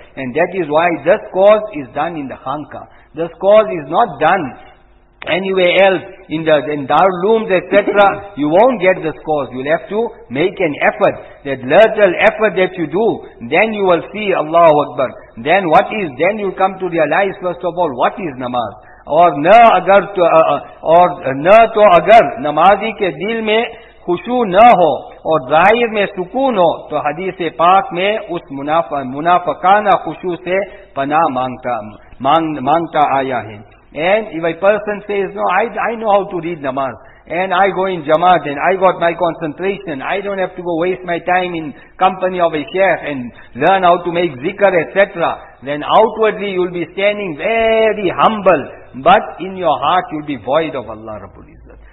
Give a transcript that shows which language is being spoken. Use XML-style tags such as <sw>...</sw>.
<en>And that is why this cause is done in the khanqah. This cause is not done anywhere else in the in darlooms, etc. You won't get this cause. You'll have to make an effort. That little effort that you do, then you will see Allahu Akbar. Then what is, then you come to realize first of all, what is namaz?</en> <ur>Or na agar to, or na to agar namazi ke dil mein khushu na ho, اور ظاہر میں سکون ہو تو حدیث پاک میں اس منافقانہ خشوع سے پناہ مانگتا آیا ہے.</ur> <en>And if a person says, no, I know how to read namaz, and I go in jamaat, and I got my concentration, I don't have to go waste my time in company of a sheikh and learn how to make zikr, etc., then outwardly you'll be standing very humble, but in your heart you'll be void of Allah Rabbul Izzat.</en>